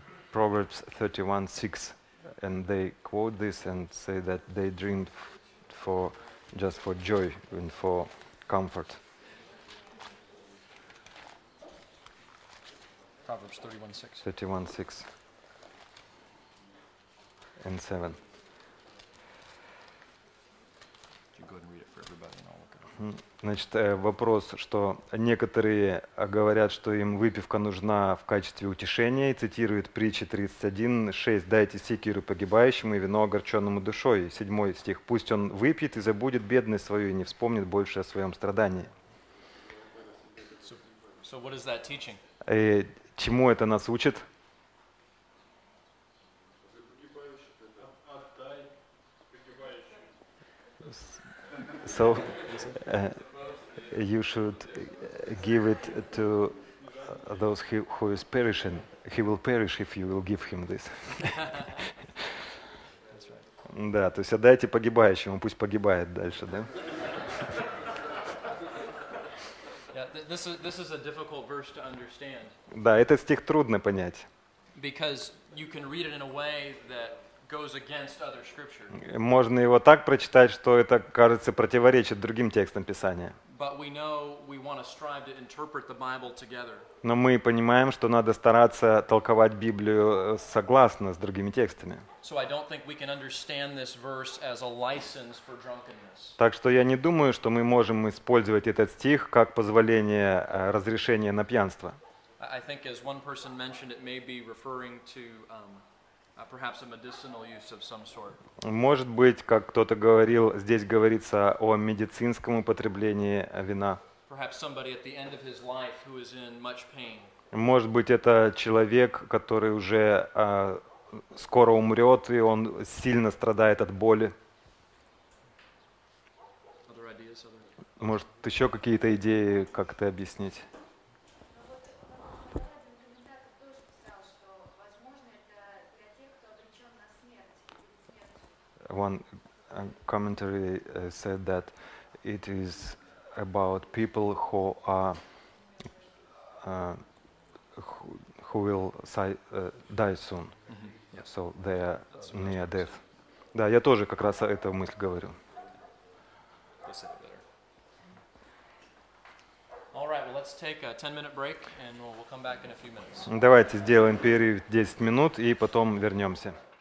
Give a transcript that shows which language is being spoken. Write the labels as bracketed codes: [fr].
[en] Proverbs 31:6, and they quote this and say that they drink just for joy and for comfort. Proverbs 31:6. 31:6 and 7. You go ahead and read it for everybody, and I'll look it up. [ru] Значит, вопрос, что некоторые говорят, что им выпивка нужна в качестве утешения, и цитируют притчи 31:6: «Дайте секиру погибающему и вино огорченному душой». 7 стих: «Пусть он выпьет и забудет бедность свою, и не вспомнит больше о своем страдании». [en] So what is that teaching? [ru] Чему это нас учит? [en] So, you should give it to those who is perishing. He will perish if you will give him this. [ru] Да, то есть отдайте погибающему, пусть погибает дальше, да? [en] This is a difficult verse to understand. [ru] Да, этот стих трудно понять. [en] Because you can read it in a way that goes against other scripture. [ru] Можно его так прочитать, что это, кажется, противоречит другим текстам Писания. [en] But we know we want to strive to interpret the Bible together. [ru] Но мы понимаем, что надо стараться толковать Библию согласно с другими текстами. [en] So I don't think we can understand this verse as a license for drunkenness. [ru] Так что я не думаю, что мы можем использовать этот стих как позволение, разрешение на пьянство. [en] I think as one person mentioned, it may be referring to perhaps a medicinal use of some sort. [ru] Может быть, как кто-то говорил, здесь говорится о медицинском употреблении вина. [en] Perhaps somebody at the end of his life who is in much pain. [ru] Может быть, это человек, который уже скоро умрет, и он сильно страдает от боли. Может, еще какие-то идеи, как это объяснить? [en] One commentary said that it is about people who are who will die soon. Mm-hmm. So they are near death. [ru] Да, я тоже как раз эту мысль говорю. [en] All right, well, let's take a 10-minute break and we'll come back in a few minutes. [ru] Давайте сделаем перерыв 10 минут и потом вернемся.